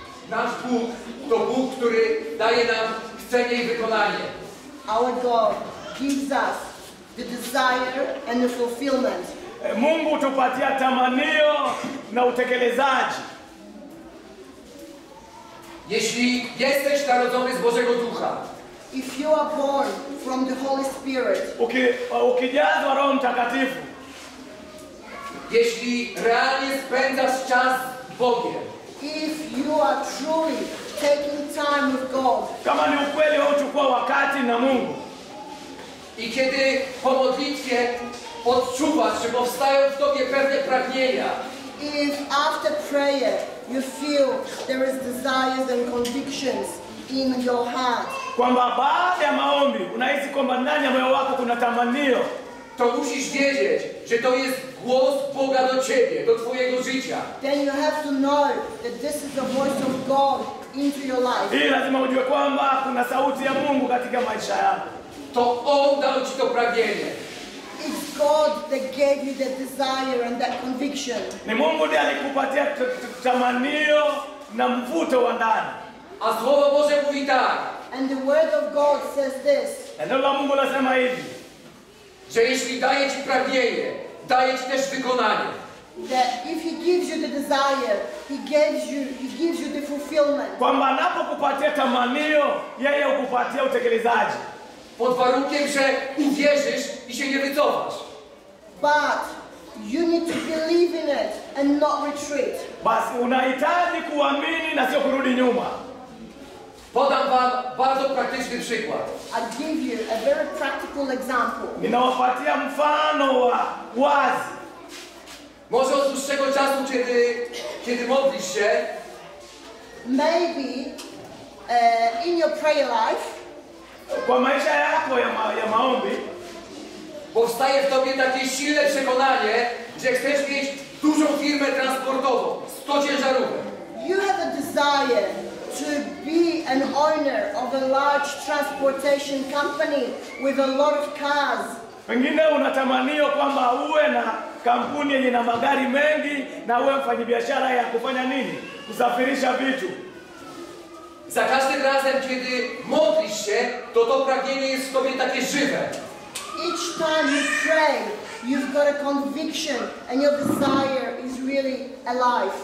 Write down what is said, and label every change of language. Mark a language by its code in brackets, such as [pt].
[pl] Nasz Bóg to Bóg, który daje nam chcenie i wykonanie. [en] Our God gives us the desire and the fulfillment. [sw] Mungu tupatia tamanio na utekelezaji. [pl] Jeśli jesteś narodzony z Bożego Ducha. [en] If you are born from the Holy Spirit. [sw] Ukijazwa Roho Mtakatifu. [pl] Jeśli realnie spędzasz czas z Bogiem. [en] If you are truly taking time with God. [sw] Kama ni ukweli, wewe uchukua wakati na Mungu. [pl] I kiedy po modlitwie odczuwać, że powstają w tobie pewne pragnienia. [en] If after prayer you feel there is desires and convictions in your heart. [sw] Kwamba baada ya maombi unahisi kwamba ndani ya moyo wako kuna tamanio. [pl] To musisz wiedzieć, że to jest głos Boga do ciebie, do twojego życia. [en] Then you have to know that this is the voice of God into your life. [sw] Hii lazima ujue kwamba kuna sauti ya Mungu katika maisha yako. [pl] To on dał ci to pragnienie. [en] It's God that gave you the desire and that conviction. [sw] Ni Mungu ndiye alikupatia tamanio na mvuto wa ndani. [pl] A słowo Boże mówi tak. [en] And the word of God says this. [sw] Neno la Mungu lasema hivi. [pl] Że jeśli daje ci pragnienie, daje ci też wykonanie. [en] That if he gives you the desire, he gives you the fulfillment. [sw] Kwamba anapokupatia tamanio, yeye hukupatia utekelezaji. [pl] Pod warunkiem, że uwierzysz i się nie wycofasz. [en] But you need to believe in it and not retreat. [sw] Bas, unahitaji kuamini na sio kurudi nyuma. [pl] Podam wam bardzo praktyczny przykład. [en] I give you a very practical example. [sw] Ninawapatia mfano wa wazi. [pl] Może od dłuższego czasu, kiedy modlisz się. [en] Maybe in your prayer life. [sw] Kwa maisha yako ya maombi [pl] powstaje w tobie takie silne przekonanie, że chcesz mieć dużą firmę transportową, 100 ciężarówek. [en] You have a desire to be an owner of a large transportation company with a lot of cars. [sw] Pengine unatamanio kwamba uwe na kampuni yenye na magari mengi na uwe mfanyabiashara ya kufanya nini? Kusafirisha vitu. [pl] Za każdym razem, kiedy modlisz się, to pragnienie jest w tobie takie żywe. [en] Each time you pray, you've got a conviction and your desire is really alive.